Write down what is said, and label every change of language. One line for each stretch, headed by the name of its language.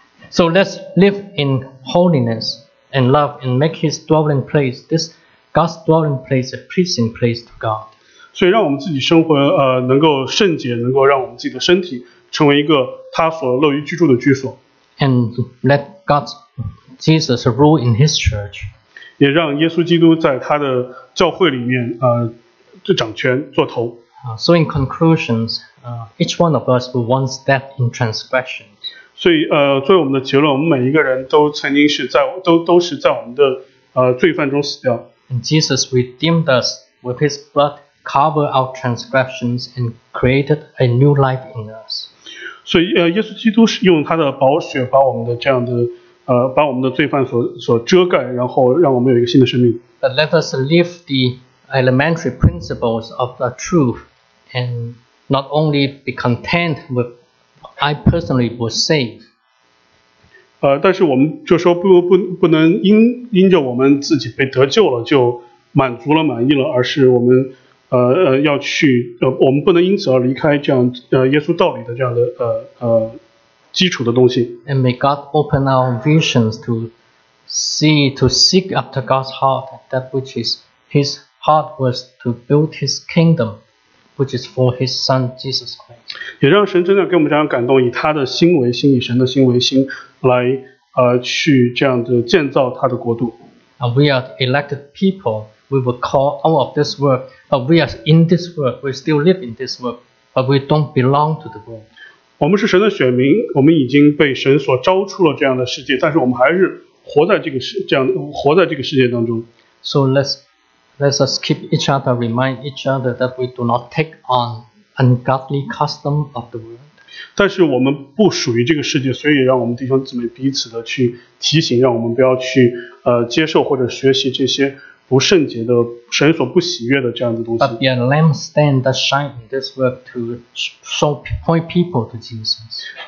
English: So let's live in holiness and love and make his dwelling place, this God's dwelling place, a pleasing place to God.
Chinese: 所以让我们自己生活能够圣洁，能够让我们自己的身体成为一个他所乐于居住的居所。
English: And let God, Jesus rule in his church.
Chinese: 也让耶稣基督在他的教会里面就掌权做头。
English: So in conclusions, each one of us will once step in transgression.
Chinese: 所以作为我们的结论，我们每一个人都曾经是在都是在我们的罪犯中死掉。
English: And Jesus redeemed us with his blood, covered our transgressions, and created a new life in us.
Chinese: 所以耶稣基督是用他的宝血把我们的这样的把我们的罪犯所遮盖，然后让我们有一个新的生命。
English: But let us live the elementary principles of the truth and not only be content with I personally was saved.
Chinese: 但是我们就说不能因着我们自己被得救了就满足了满意了，而是我们要去我们不能因此而离开这样耶稣道理的这样的基础的东西。
English: And may God open our visions to see, to seek after God's heart, that which is his heart was to build his kingdom, which is for his son Jesus Christ.
Chinese: 也让神真的给我们这样感动，以他的心为心，以神的心为心来去这样的建造他的国度。
English: And we are elected people, we were called out of this world, but we are in this world, we still live in this world, but we don't belong to the world.
Chinese: 我们是神的选民，我们已经被神所召出了这样的世界，但是我们还是活在这个世界当中。
English: So let's us keep each other, remind each other that we do not take on ungodly custom of the world.
Chinese: 但是我们不属于这个世界，所以让我们弟兄姊妹彼此的去提醒，让我们不要去接受或者学习这些不圣洁的神所不喜悦的这样的东西。
English: But be a lampstand that shines in this world to show point people to Jesus.